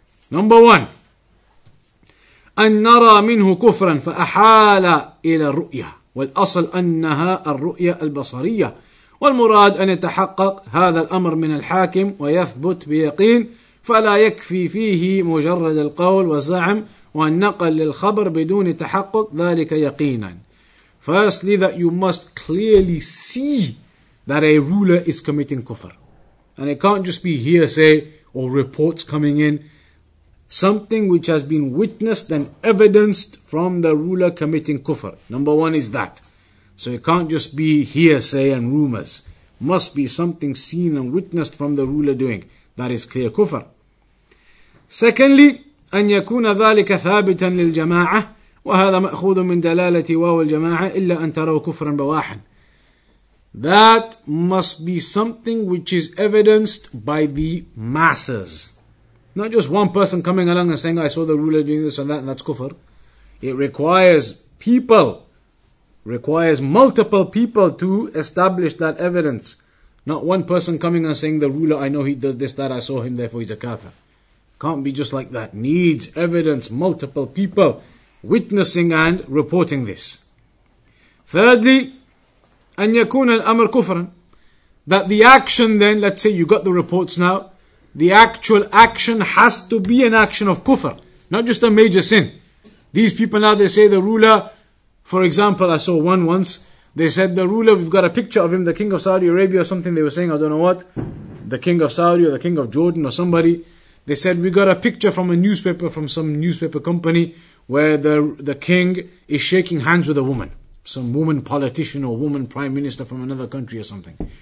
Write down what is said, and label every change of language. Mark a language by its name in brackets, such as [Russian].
[English] Number one, [Arabic] أَنْ نَرَى مِنْهُ كُفْرًا فَأَحَالَ إِلَى الرُّؤْيَةِ وَالْأَصْلُ أَنَّهَا الرُّؤْيَةَ الْبَصَرِيَّةِ والمراد أن يتحقق هذا الأمر من الحاكم ويثبت بيقين فلا يكفي فيه مجرد القول والزعم والنقل للخبر بدون تحقق ذلك يقينا. [English] Firstly, that you must clearly see that a ruler is committing kufr. And it can't just be hearsay or reports coming in. Something which has been witnessed and evidenced from the ruler committing kufr. Number one is that. So it can't just be hearsay and rumors. Must be something seen and witnessed from the ruler doing. That is clear kufr. Secondly, [Arabic] أن يكون ذلك ثابتا للجماعة وهذا مأخوذ من دلالة واو الجماعة إلا أن تروا كفرا بواحا. [English] That must be something which is evidenced by the masses. Not just one person coming along and saying, I saw the ruler doing this and that, and that's kufr. It requires people. Requires multiple people to establish that evidence. Not one person coming and saying, the ruler, I know he does this, that, I saw him, therefore he's a kafir. Can't be just like that. Needs evidence, multiple people witnessing and reporting this. Thirdly, [Arabic] أن يكون الأمر كفرا. [English] That the action then, let's say you got the reports now, the actual action has to be an action of kufr. Not just a major sin. These people now, they say the ruler, for example, I saw one once, they said the ruler, we've got a picture of him, the king of Saudi Arabia or something, they were saying, I don't know what, the king of Saudi or the king of Jordan or somebody, they said we got a picture from a newspaper, from some newspaper company, where the king is shaking hands with a woman, some woman politician or woman prime minister from another country or something.